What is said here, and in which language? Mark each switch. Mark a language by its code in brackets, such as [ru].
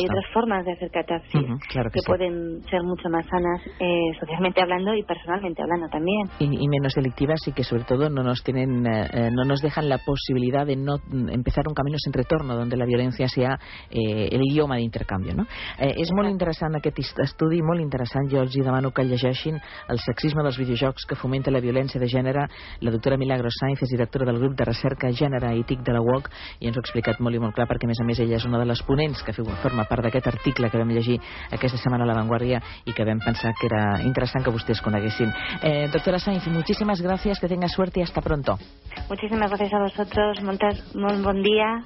[es] Hay otras formas de hacer catarsis, uh-huh, claro que sí, pueden ser mucho más sanas, socialmente hablando y personalmente hablando también. Y menos delictivas, y que sobre todo no nos tienen, no nos dejan la posibilidad de no empezar un camino sin retorno, donde la violencia sea el idioma de intercambio, ¿no? [ca] És molt interessant aquest estudi, molt interessant. Jo els demano que llegeixin El sexisme dels videojocs que fomenta la violència de gènere. La doctora Milagros Sainz és directora del grup de recerca Gènere i TIC de la UOC i ens ho ha explicat molt i molt clar, perquè a més ella és una de les ponents que forma part d'aquest article que vam llegir aquesta setmana a La Vanguardia i que vam pensar que era interessant que vostès coneguessin. [es] Doctora Sainz, muchísimas gracias, que tenga suerte y hasta pronto. Muchísimas gracias a vosotros, muy bon dia.